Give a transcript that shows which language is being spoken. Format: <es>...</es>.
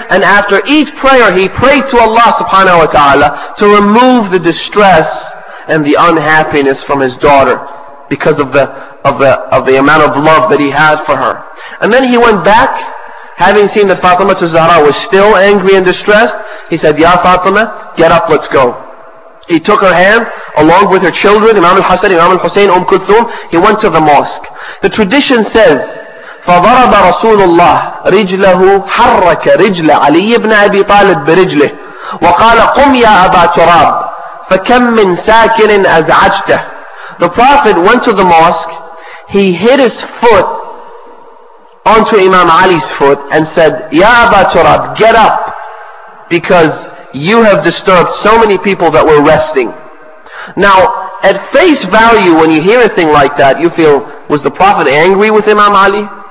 <en>And after each prayer, he prayed to Allah subhanahu wa ta'ala to remove the distress and the unhappiness from his daughter because of the amount of love that he had for her. And then he went back, having seen that Fatima al-Zahra was still angry and distressed. He said, Ya Fatima, get up, let's go. He took her hand, along with her children, Imam al-Hasan, Imam al-Hussein, Kulthum. He went to the mosque. The tradition says,</en> <ar>فَضَرَبَ رَسُولُ اللَّهِ رِجْلَهُ حَرَّكَ رِجْلَ عَلِيِّ بْنَ أَبِي طَالِبْ بِرِجْلِهِ وَقَالَ قُمْ يَا أَبَا تُرَابٍ فَكَمْ مِنْ سَاكِنٍ أَزْعَجْتَهُ.</ar> <en>The Prophet went to the mosque. He hit his foot onto Imam Ali's foot and said, Ya Aba Turab, get up, because you have disturbed so many people that were resting. Now, at face value, when you hear a thing like that, you feel, was the Prophet angry with Imam Ali?</en>